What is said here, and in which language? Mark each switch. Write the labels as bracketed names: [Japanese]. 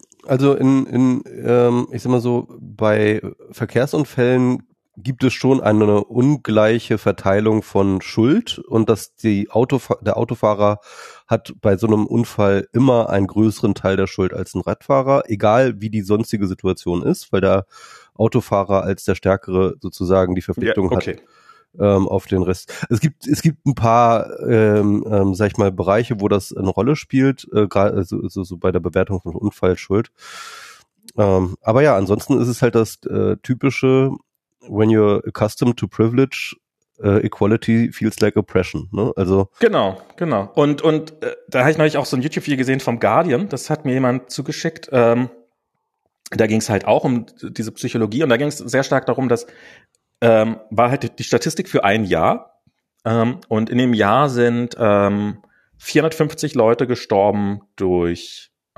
[German] Also in ich sag mal so, bei Verkehrsunfällen gibt es schon eine ungleiche Verteilung von Schuld und dass der Autofahrer hat bei so einem Unfall immer einen größeren Teil der Schuld als ein Radfahrer, egal wie die sonstige Situation ist, weil der Autofahrer als der Stärkere sozusagen die Verpflichtung hat. Auf den Rest. Es gibt ein paar, sag ich mal, Bereiche, wo das eine Rolle spielt, gerade so bei der Bewertung von Unfallschuld. Aber ja, ansonsten ist es halt das typische [English] when you're accustomed to privilege, equality feels like oppression, [German] ne? Also. Genau, genau. Und da habe ich neulich auch so ein YouTube-Video gesehen vom Guardian, das hat mir jemand zugeschickt. Da ging es halt auch um diese Psychologie und da ging es sehr stark darum, dass war halt die Statistik für ein Jahr und in dem Jahr sind 450 Leute gestorben durch